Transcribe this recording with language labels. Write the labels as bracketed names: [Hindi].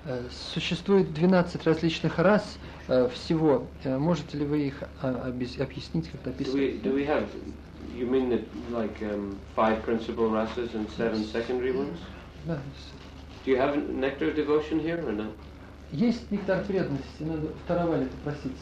[Russian] Существует 12 различных рас всего. Можете ли вы их объяснить, как-то описать? [English] Do we have, you mean that like five principal rasas and seven secondary ones? Yes. Do you have nectar devotion here or no? [Russian] Есть нектар преданности, надо в Таравале попросить.